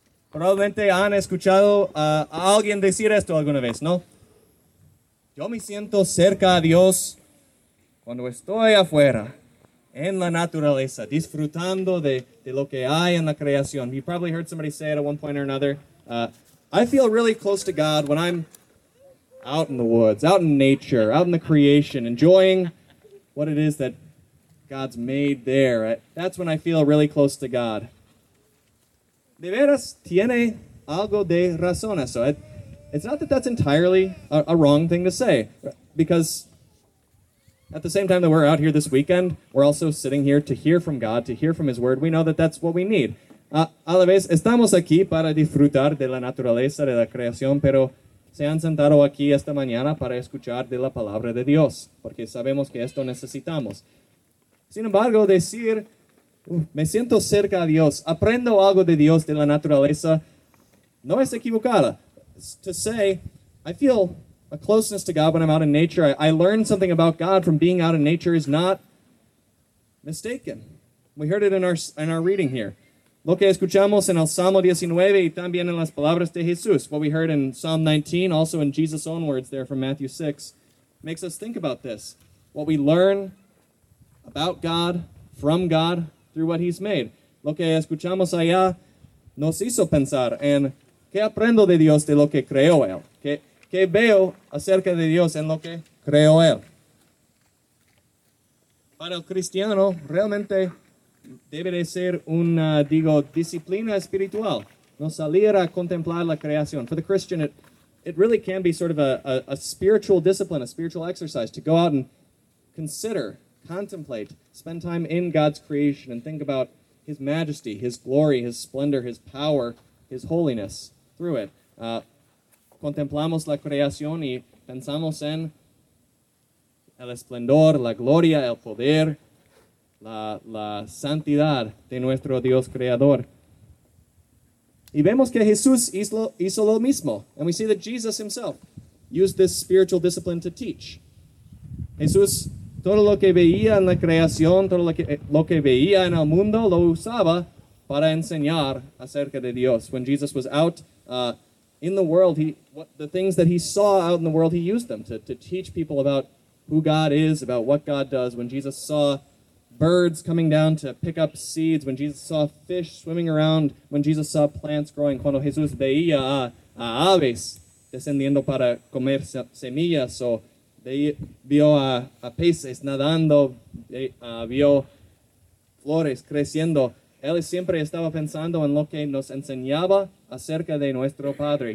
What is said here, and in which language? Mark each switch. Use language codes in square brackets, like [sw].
[es] Probablemente han escuchado a alguien decir esto alguna vez, ¿no? Yo me siento cerca a Dios cuando estoy afuera, en la naturaleza, disfrutando de lo que hay en la creación. [en] You probably heard somebody say it at one point or another. I feel really close to God when I'm out in the woods, out in nature, out in the creation, enjoying what it is that God's made there. That's when I feel really close to God. [es] De veras, tiene algo de razón eso. [en] It's not that that's entirely a wrong thing to say, because at the same time that we're out here this weekend, we're also sitting here to hear from God, to hear from His Word. We know that that's what we need. [es] A la vez, estamos aquí para disfrutar de la naturaleza, de la creación, pero se han sentado aquí esta mañana para escuchar de la palabra de Dios, porque sabemos que esto necesitamos. Sin embargo, decir, me siento cerca a Dios, aprendo algo de Dios, de la naturaleza, no es equivocada. [en] To say, I feel a closeness to God when I'm out in nature, I learn something about God from being out in nature, is not mistaken. We heard it in our reading here. [es] Lo que escuchamos en el Salmo 19 y también en las palabras de Jesús, [en] what we heard in Psalm 19, also in Jesus' own words there from Matthew 6, makes us think about this. What we learn about God, from God, through what He's made. [es] Lo que escuchamos allá nos hizo pensar en qué aprendo de Dios de lo que creó Él. ¿Qué veo acerca de Dios en lo que creó Él? Para el cristiano, realmente debe de ser una, digo, disciplina espiritual. No salir a contemplar la creación. [en] For the Christian, it really can be sort of a spiritual discipline, a spiritual exercise, to go out and consider, contemplate, spend time in God's creation and think about His majesty, His glory, His splendor, His power, His holiness through it. [es] Contemplamos la creación y pensamos en el esplendor, la gloria, el poder, la santidad de nuestro Dios creador. Y vemos que Jesús hizo lo mismo. [en] And we see that Jesus himself used this spiritual discipline to teach. [es] Jesús, todo lo que veía en la creación, todo lo que veía en el mundo, lo usaba para enseñar acerca de Dios. [en] When Jesus was out in the world, the things that he saw out in the world, he used them to teach people about who God is, about what God does. When Jesus saw birds coming down to pick up seeds, when Jesus saw fish swimming around, when Jesus saw plants growing, [es] cuando Jesús veía a aves descendiendo para comer semillas, o vio a peces nadando, vio flores creciendo, él siempre estaba pensando en lo que nos enseñaba acerca de nuestro Padre.